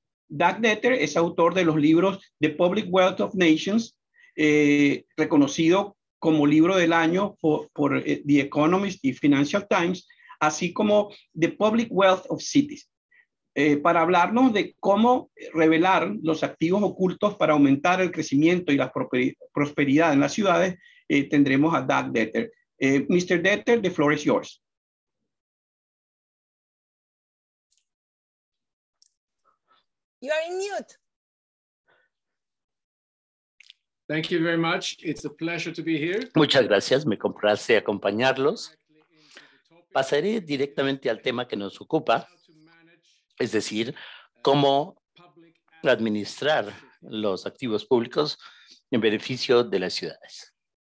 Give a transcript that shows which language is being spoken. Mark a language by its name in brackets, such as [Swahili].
[Spanish] Dag Detter es autor de los libros The Public Wealth of Nations, reconocido como libro del año por The Economist y Financial Times, así como The Public Wealth of Cities. para hablarnos de cómo revelar los activos ocultos para aumentar el crecimiento y la prosperidad en las ciudades, tendremos a Doug Detter. [English] Mr. Detter, the floor is yours. You are in mute. Thank you very much. It's a pleasure to be here. [Spanish] Muchas gracias. Me complace acompañarlos. Pasaré directamente al tema que nos ocupa, es decir, cómo administrar los activos públicos en beneficio de las ciudades.